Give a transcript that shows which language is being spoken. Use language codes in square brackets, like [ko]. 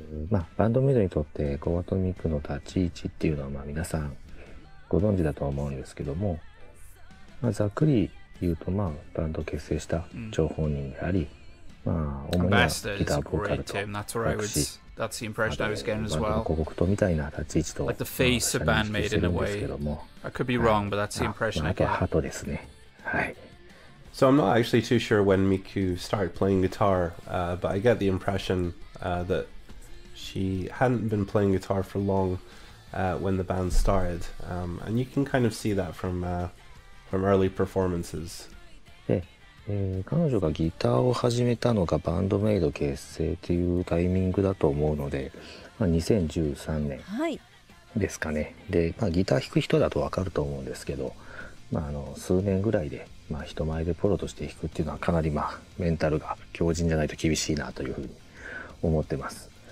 [ja] まあ、バンドメイドにとってコバトミクの立ち位置っていうのは、まあ、皆さんご存知だと思うんですけども、まあ、ざっくり言うと、まあ、バンド結成した張本人であり、まあ、主にはギターボーカルと作詞、あとバンドの広告塔みたいな立ち位置と私は認識してるんですけども、まあ、なんか鳩ですね。 [en] I could be wrong, but that's the impression I get. [ja] ですね。はい。 [en] So I'm not actually too sure when Miku started playing guitar, but I get the impression that she hadn't been playing guitar for long when the band started. And you can kind of see that from early performances. [ja] 彼女がギターを始めたのがバンドメイド結成というタイミングだと思うので、まあ、2013年ですかね、はい、で、まあ、ギター弾く人だと分かると思うんですけど、まあ、あの数年ぐらいで、まあ、人前でプロとして弾くっていうのはかなり、まあ、メンタルが強靭じゃないと厳しいなというふうに思ってます。